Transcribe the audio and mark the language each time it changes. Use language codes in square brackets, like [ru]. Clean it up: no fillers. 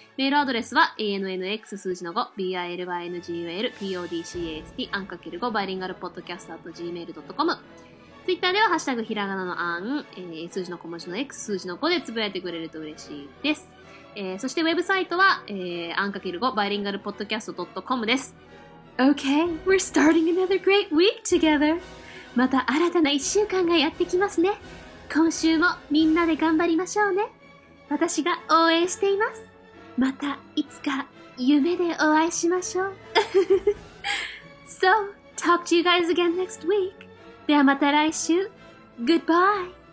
[ja] メールアドレスは annx5bilingualpodcast@gmail.com。ツイッターではハッシュタグひらがなのあん、数字の小文字の X、数字の5でつぶやいてくれると嬉しいです。そしてウェブサイトは、an×5bilingualpodcast.com です。 [en] Okay, we're starting another great week together. [ja] また新たな1週間がやってきますね。今週もみんなで頑張りましょうね。私が応援しています。またいつか夢でお会いしましょう。 [en] So, talk to you guys again next week. [ja] ではまた来週。Goodbye!